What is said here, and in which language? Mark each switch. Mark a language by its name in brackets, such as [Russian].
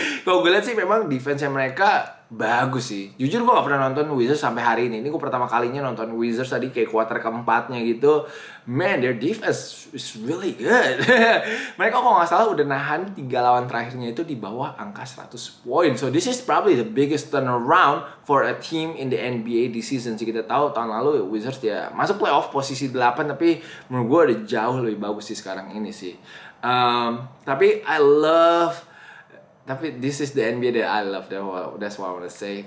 [Indonesian] Kalau gue liat sih, memang defense-nya mereka bagus sih. Jujur gue gak pernah nonton Wizards sampai hari ini. Ini gue pertama kalinya nonton Wizards tadi kayak quarter keempatnya gitu. [English] Man, their defense is really good. [Indonesian] Mereka kalau gak salah udah nahan 3 lawan terakhirnya itu di bawah angka 100 poin. [English] So this is probably the biggest turnaround for a team in the NBA this season. [Indonesian] Jadi kita tahu tahun lalu Wizards dia masuk playoff posisi 8. Tapi menurut gue udah jauh lebih bagus sih sekarang ini sih. Tapi [English] I love... [Indonesian] Tapi [English] this is the NBA that I love, that's what I wanna say.